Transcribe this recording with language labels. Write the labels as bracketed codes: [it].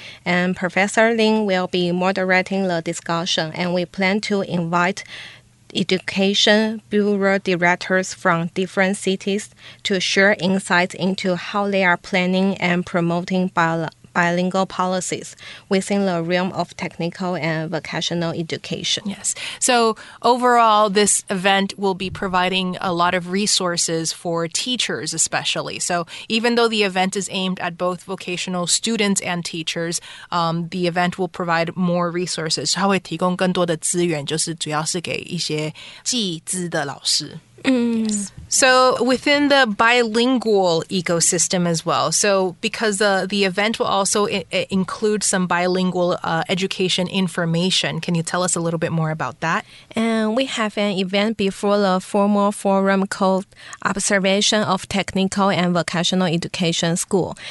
[en] And Professor Lin will be moderating the discussion, and we plan to invite education bureau directors from different cities to share insights into how they are planning and promoting bilingual policies within the realm of technical and vocational education. Yes. So overall, this event will be providing a lot of resources for teachers especially. So even though the event is aimed at both vocational students and teachers, the event will provide more resources. [zh] 它会提供更多的资源，就是主要是给一些技资的老师。 [en] Yes. So within the bilingual ecosystem as well, so because the event will also include some bilingual education information, can you tell us a little bit more about that? And we have an event before the formal forum called Observation of Technical and Vocational Education School.